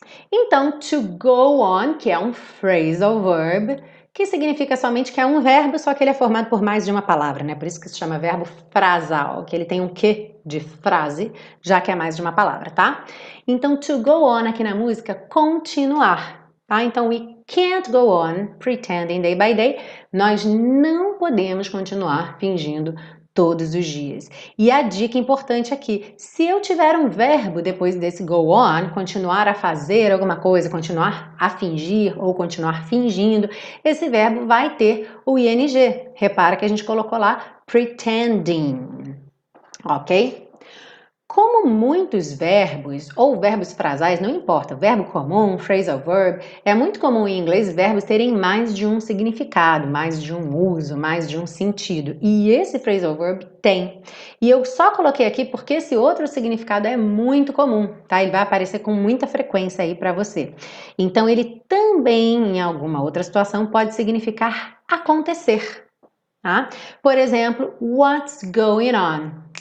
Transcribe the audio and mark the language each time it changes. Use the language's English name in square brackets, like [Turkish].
[Portuguese] Então, to go on, que é um phrasal verb, que significa somente que é um verbo, só que ele é formado por mais de uma palavra, né? Por isso que se chama verbo frasal, que ele tem um quê de frase, já que é mais de uma palavra, tá? Então, to go on aqui na música, continuar, tá? [English] Então, we can't go on pretending day by day. [Portuguese] Nós não podemos continuar fingindo todos os dias. E a dica importante aqui, se eu tiver um verbo depois desse go on, continuar a fazer alguma coisa, continuar a fingir ou continuar fingindo, esse verbo vai ter o ing. Repara que a gente colocou lá pretending. Ok? Como muitos verbos ou verbos frasais, não importa, verbo comum, phrasal verb, é muito comum em inglês verbos terem mais de um significado, mais de um uso, mais de um sentido. E esse phrasal verb tem. E eu só coloquei aqui porque esse outro significado é muito comum, tá? Ele vai aparecer com muita frequência aí para você. Então, ele também, em alguma outra situação, pode significar acontecer, tá? Por exemplo, [English] what's going on?